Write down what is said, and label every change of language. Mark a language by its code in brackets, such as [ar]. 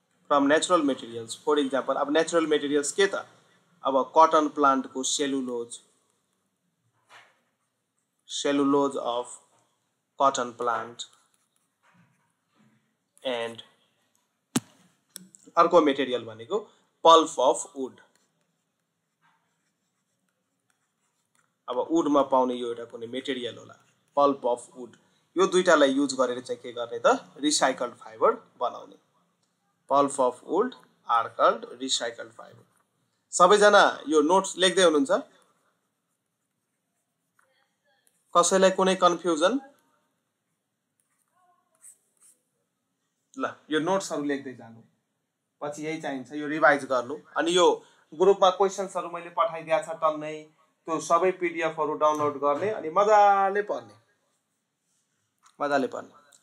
[en] From natural materials, for example, अब natural materials के था, अब cotton plant को cellulose of cotton plant and अर्को material बने को pulp of wood. [ne] अब wood में पाउने यो एउटा कुनै material होला, pulp of wood. यो दुईटालाई use गरेर चाहिँ के गर्ने त recycled fiber बनाउने. [en] Pulp of wood are called recycled fiber. [ne] सबै जना यो नोट्स लेख्दै हुनुहुन्छ? कसैलाई कुनै कन्फ्युजन? ल यो नोट्सहरू लेख्दै जानु, पछि यही चाहिन्छ यो रिभाइज गर्नु. अनि यो ग्रुपमा क्वेसन्सहरू मैले पठाइदिएको छ टन्नै, त्यो सबै पीडिएफहरू डाउनलोड गर्ने अनि मजाले पढ्ने, मजाले पढ्ने.